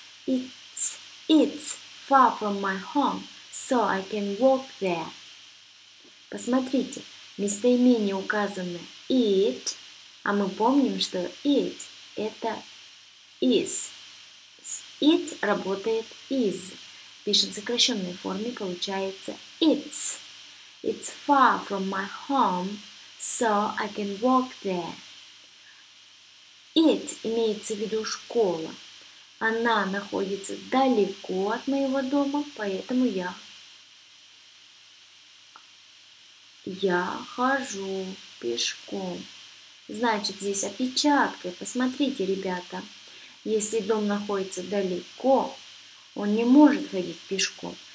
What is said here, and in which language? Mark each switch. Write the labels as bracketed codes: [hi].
[en] It's far from my home, so I can walk there. [ru] Посмотрите, местоимение указано it, а мы помним, что it – это is. It работает is. Пишем в сокращенной форме, получается it's. [en] It's far from my home, so I can walk there. [ru] It имеется в виду школа. Она находится далеко от моего дома, поэтому я хожу пешком. Значит, здесь опечатка. Посмотрите, ребята. Если дом находится далеко, он не может ходить пешком.